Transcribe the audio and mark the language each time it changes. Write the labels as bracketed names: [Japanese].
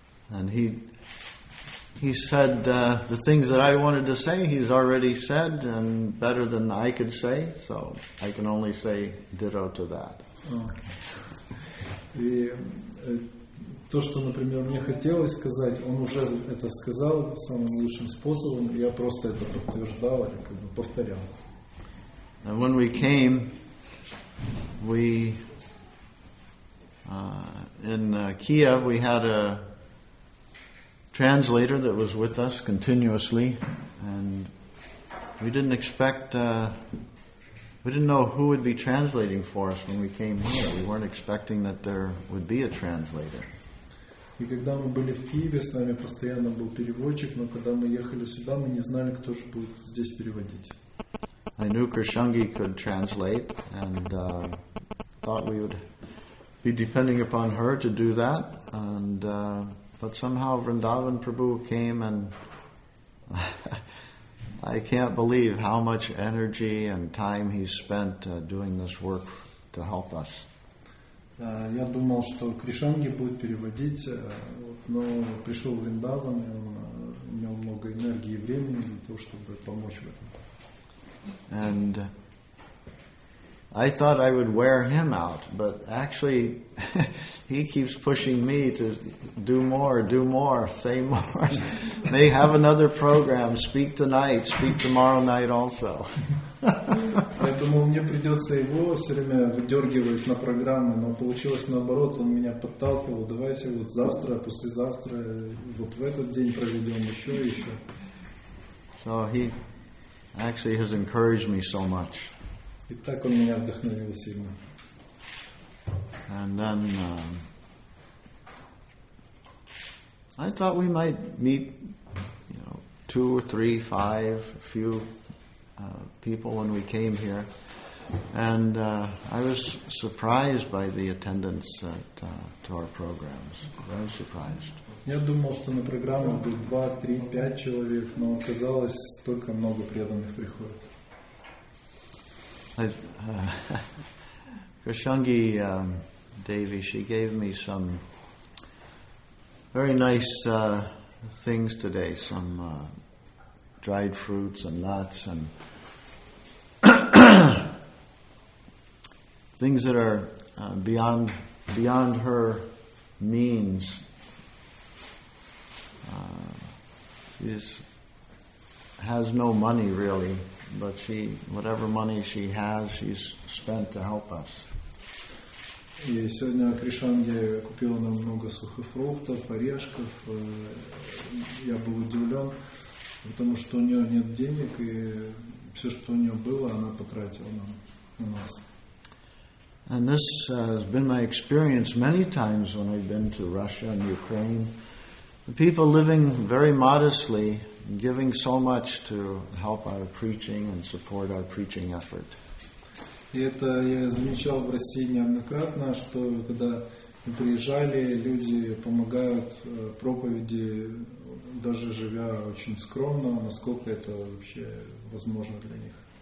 [English] And he said the things that I wanted to say, he's already said, and better than I could say, so I can only say ditto to that. Okay. [Russian] И то, что, например, мне хотелось сказать, он уже это сказал самым лучшим способом, и я просто это подтверждал или повторял. [English] And when we came, we in Kiev, we had a translator that was with us continuously, and we didn't expect, we didn't know who would be translating for us when we came here. We weren't expecting that there would be a translator. [Russian] И когда мы были в Киеве, с нами постоянно был переводчик, но когда мы ехали сюда, мы не знали, кто же будет здесь переводить. [English] I knew Krishangi could translate, and thought we would be depending upon her to do that, and but somehow Vrindavan Prabhu came, and I can't believe how much energy and time he spent doing this work to help us. [Russian] Я думал, что Кришанги будет переводить, но пришел Вриндаван, и он имел много энергии и времени для того, чтобы помочь в этом. [English] And I thought I would wear him out, but actually he keeps pushing me to do more, say more. May have another program, speak tonight, speak tomorrow night also. [Russian] Поэтому мне придется его все время выдергивать на программы, но получилось наоборот, он меня подталкивал, давайте вот завтра, послезавтра, вот в этот день проведем еще и еще. [English] So he actually has encouraged me so much. [Russian] И так он меня вдохновил сильно. [English] And then I thought we might meet, you know, two or three, five, a few people when we came here. And I was surprised by the attendance at to our programs. Very surprised. [Russian] Я думал, что на программах будет 2, 3, 5 человек, но оказалось столько много преданных приходит. [English] Krishangi Devi, she gave me some very nice things today, some dried fruits and nuts and things that are beyond her means. She has no money really. But she, whatever money she has, she's spent to help us. [Russian] И сегодня Кришанге купила нам много сухих фруктов, орешков. Я был удивлен, потому что у нее нет денег, и все, что у нее было, она потратила нам, на нас. [English] And this has been my experience many times when I've been to Russia and Ukraine. The people living very modestly, giving so much to help our preaching and support our preaching effort. [Russian] И это я замечал в России неоднократно, что когда мы приезжали, люди помогают проповеди, даже живя очень скромно, насколько это вообще возможно для них.